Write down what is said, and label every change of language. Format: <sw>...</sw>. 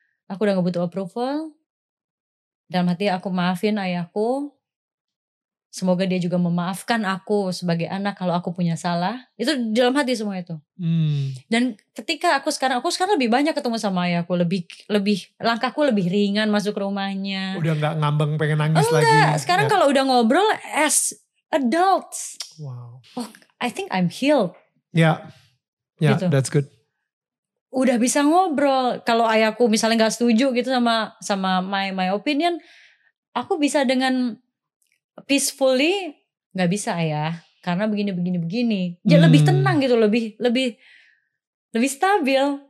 <id>Aku udah gak butuh approval, dalam hati aku maafin ayahku, semoga dia juga memaafkan aku sebagai anak kalau aku punya salah. Itu dalam hati semua itu. Dan ketika aku sekarang lebih banyak ketemu sama ayahku, lebih langkahku lebih ringan masuk rumahnya. Udah enggak ngambang pengen nangis lagi. Sekarang kalau udah ngobrol</id> <en>as adults. Wow. Oh, I think I'm healed. Yeah,</en> <id>gitu.</id> <en>That's good.</en> <id>Udah bisa ngobrol kalau ayahku misalnya enggak setuju gitu sama</id> <en>my opinion,</en> <id>aku bisa dengan peacefully, gak bisa ya, karena begini. Jadi lebih tenang gitu, lebih stabil.</id>